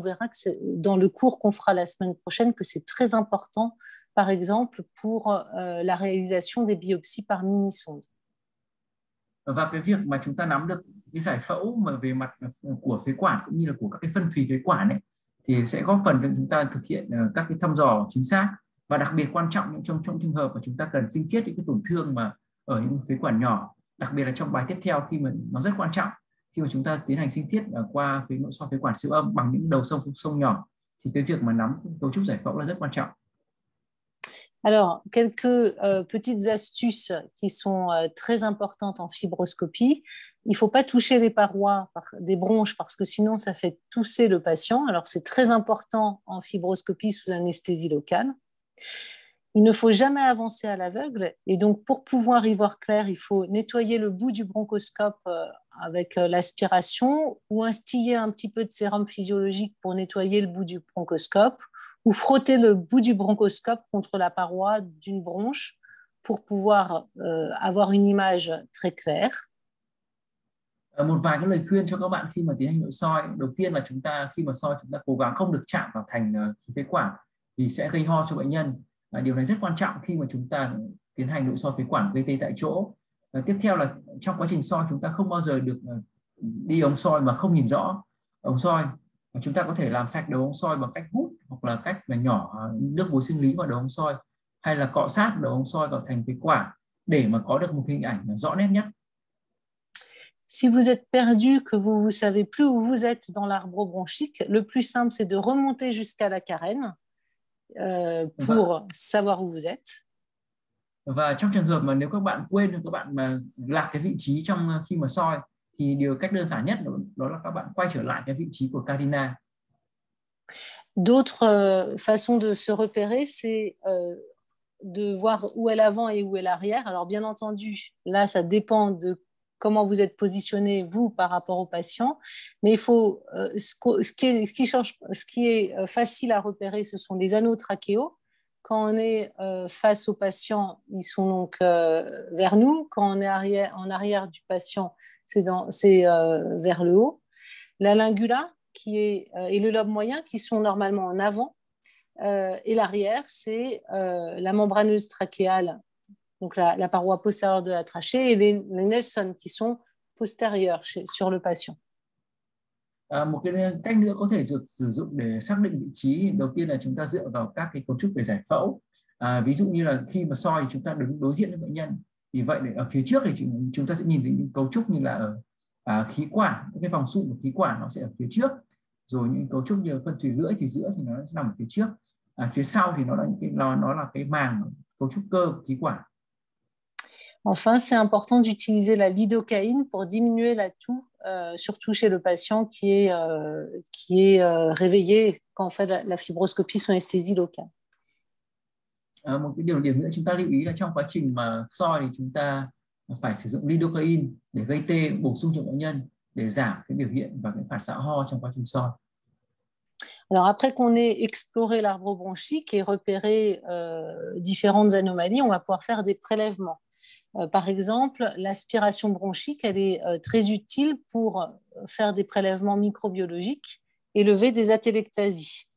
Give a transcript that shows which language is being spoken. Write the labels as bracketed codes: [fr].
[fr] Et on verra que c'est dans le cours qu'on fera la semaine prochaine que c'est très important, par exemple, pour la réalisation des biopsies par mini-sonde. [vi] Và cái việc mà chúng ta nắm được cái giải phẫu mà về mặt của phế quản cũng như là của các cái phân thùy phế quản ấy, thì sẽ góp phần cho chúng ta thực hiện các cái thăm dò chính xác và đặc biệt quan trọng trong trường hợp mà chúng ta cần sinh thiết những cái tổn thương mà ở những phế quản nhỏ, đặc biệt là trong bài tiếp theo khi mà nó rất quan trọng khi mà chúng ta tiến hành sinh thiết qua phế nội soi phế quản siêu âm bằng những đầu sông nhỏ thì cái việc mà nắm cấu trúc giải phẫu là rất quan trọng. [fr] Alors, quelques petites astuces qui sont très importantes en fibroscopie. Il ne faut pas toucher les parois des bronches parce que sinon, ça fait tousser le patient. Alors, c'est très important en fibroscopie sous anesthésie locale. Il ne faut jamais avancer à l'aveugle. Et donc, pour pouvoir y voir clair, il faut nettoyer le bout du bronchoscope avec l'aspiration ou instiller un petit peu de sérum physiologique pour nettoyer le bout du bronchoscope ou frotter le bout du bronchoscope contre la paroi d'une bronche pour pouvoir avoir une image très claire. [vi] Một vài cái lời khuyên cho các bạn khi mà tiến hành nội soi. Đầu tiên là chúng ta khi mà soi chúng ta cố gắng không được chạm vào thành phế quản vì sẽ gây ho cho bệnh nhân. Điều này rất quan trọng khi mà chúng ta tiến hành nội soi phế quản gây tê tại chỗ. Tiếp theo là trong quá trình soi chúng ta không bao giờ được đi ống soi mà không nhìn rõ ống soi. Chúng ta có thể làm sạch đầu ống soi bằng cách hút hoặc là cách mà nhỏ nước muối sinh lý vào đầu ống soi hay là cọ sát đầu ống soi vào thành phế quản để mà có được một hình ảnh rõ nét nhất. [fr] Si vous êtes perdu, que vous ne savez plus où vous êtes dans l'arbre bronchique, le plus simple, c'est de remonter jusqu'à la carène pour savoir où vous êtes. [vi] Và trong trường hợp mà nếu các bạn quên, các bạn mà lạc cái vị trí trong khi mà soi, thì điều cách đơn giản nhất đó là các bạn quay trở lại cái vị trí của carina. [fr] D'autres façons de se repérer, c'est de voir où est l'avant et où est l'arrière. Alors bien entendu, là, ça dépend de comment vous êtes positionné, vous, par rapport au patient. Mais il faut, ce qui est facile à repérer, ce sont les anneaux trachéaux. Quand on est face au patient, ils sont donc vers nous. Quand on est arrière, en arrière du patient, c'est vers le haut. La lingula qui est, et le lobe moyen, qui sont normalement en avant. Et l'arrière, c'est la membraneuse trachéale, donc la paroi postérieure de la trachée et les Nelson qui sont postérieurs sur le patient. [vi] Một cái cách nữa có thể sử dụng để xác định vị trí, đầu tiên là chúng ta dựa vào các cái cấu trúc về giải phẫu. Ví dụ như là khi mà soi chúng ta đứng đối diện với bệnh nhân, vì vậy ở phía trước thì chúng ta sẽ nhìn thấy những cấu trúc như là ở khí quản, cái vòng sụn của khí quản nó sẽ ở phía trước, rồi những cấu trúc như phân thủy lưỡi thì giữa thì nó nằm ở phía trước, phía sau thì nó là cái màng cấu trúc cơ của khí quản. [fr] Enfin, c'est important d'utiliser la lidocaïne pour diminuer la toux, surtout chez le patient qui est réveillé quand on fait la fibroscopie sous anesthésie locale. [vi] Một cái điểm nữa chúng ta lưu ý là trong quá trình mà soi thì chúng ta phải sử dụng lidocaïne để gây tê bổ sung cho bệnh nhân để giảm cái biểu hiện và cái phản xạ ho trong quá trình soi. [fr] Alors après qu'on ait exploré l'arbre bronchique et repéré différentes anomalies, on va pouvoir faire des prélèvements. Par exemple, l'aspiration bronchique, elle est très utile pour faire des prélèvements microbiologiques et lever des atélectasies.